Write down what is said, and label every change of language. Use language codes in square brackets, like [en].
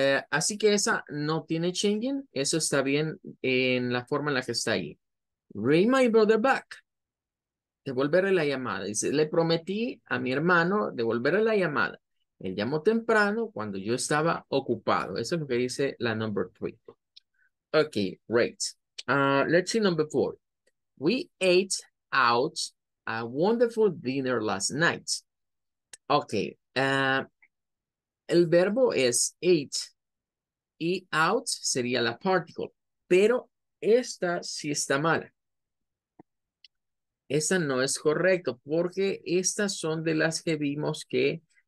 [es] Así que esa no tiene changing, eso está bien en la forma en la que está ahí. [en] Ring my brother back, [es] devolverle la llamada. Dice, le prometí a mi hermano devolverle la llamada. Él llamó temprano cuando yo estaba ocupado. Eso es lo que dice la number three. [en] Okay, great. Let's see number four. We ate out a wonderful dinner last night. Okay. [es] El verbo es ate y out sería la particle, pero esta sí está mala. Esta no es correcto porque estas son de las que vimos que